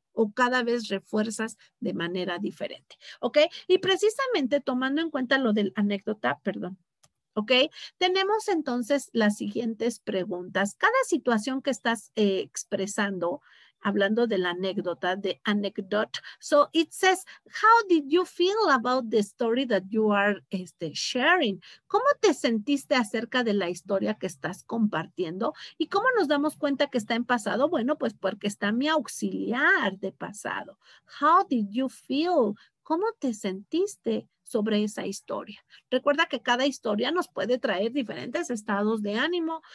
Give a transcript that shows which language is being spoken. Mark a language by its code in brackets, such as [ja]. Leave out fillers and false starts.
[es] o cada vez refuerzas de manera diferente. ¿Ok? Y precisamente tomando en cuenta lo del anécdota, perdón. ¿Ok? Tenemos entonces las siguientes preguntas. Cada situación que estás expresando, hablando de la anécdota, de anecdote. [en] So it says, how did you feel about the story that you are sharing? [es] ¿Cómo te sentiste acerca de la historia que estás compartiendo? ¿Y cómo nos damos cuenta que está en pasado? Bueno, pues porque está mi auxiliar de pasado. [en] How did you feel? [es] ¿Cómo te sentiste sobre esa historia? Recuerda que cada historia nos puede traer diferentes estados de ánimo.